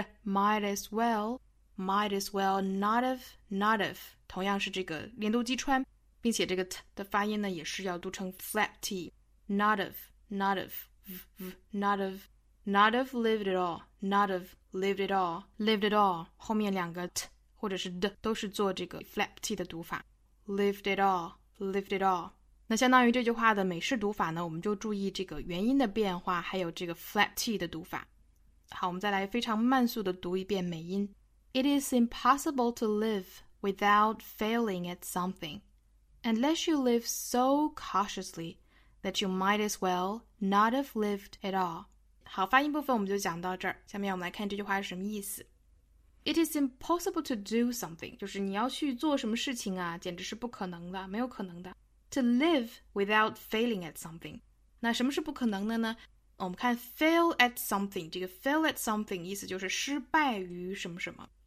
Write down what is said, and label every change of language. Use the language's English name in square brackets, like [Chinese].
[English] Might as well not of， [Chinese] 同样是这个连读击穿，并且这个 t 的发音呢也是要读成 flat t， [English] not of lived at all， [Chinese] not of lived at all，后面两个 t 或者是 d 都是做这个 flat t 的读法，lived at all。那相当于这句话的美式读法呢，我们就注意这个元音的变化，还有这个 flat t 的读法。好，我们再来非常慢速的读一遍美音。 [English] It is impossible to live without failing at something, unless you live so cautiously that you might as well not have lived at all。 [Chinese] 好，发音部分我们就讲到这儿。下面我们来看这句话是什么意思。 [English] It is impossible to do something， [Chinese] 就是你要去做什么事情啊，简直是不可能的，没有可能的。 [English] To live without failing at something， [Chinese] 那什么是不可能的呢？我们看 fail at something， 这个 fail at something 意思就是失败于什么什么。